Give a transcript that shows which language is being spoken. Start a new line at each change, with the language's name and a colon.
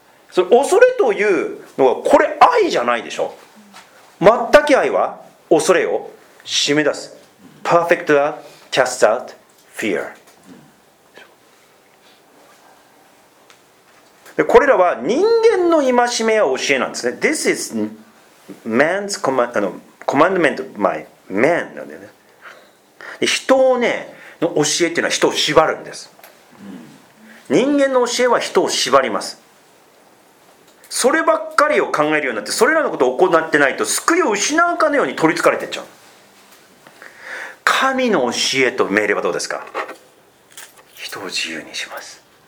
Japanese: それ恐れというのはこれ愛じゃないでしょ。全く愛は恐れを締め出す。
English: Perfect love casts out fear。
Japanese: で、これらは人間の戒めや教えなんですね。
English: This is man's commandment by man
Japanese: なんだよね。で、人をね、の教えっていうのは人を縛るんです。人間の教えは人を縛ります。そればっかりを考えるようになって、それらのことを行ってないと救いを失うかのように取り憑かれてっちゃう。神の教えと命令はどうですか。人を自由にします。